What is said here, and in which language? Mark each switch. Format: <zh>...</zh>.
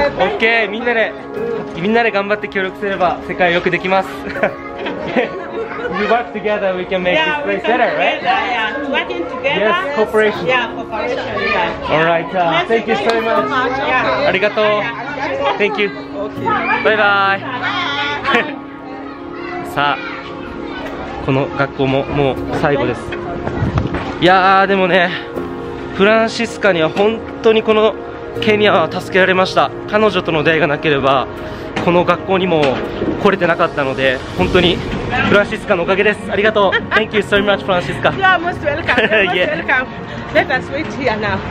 <ja>OK、みんなで、みんなで頑張って協力すれば世界よくできます。</ja> <en>We work together, we can make this place better, right? Yeah, working together. Yes, cooperation. Yeah, cooperation. Yeah. All right, thank you so much. Yeah.</en> <ja>ありがとう。</ja> <en>Thank you. Bye bye.</en> <ja>さあ、この学校ももう最後です。いやー、でもね、フランシスカには本当にこのケニアは助けられました。彼女との出会いがなければこの学校にも来れてなかったので本当にフランシスカのおかげです。ありがとう。</ja> <en>Thank you so much, フランシスカ。 You are most welcome. Let us wait here now.</en>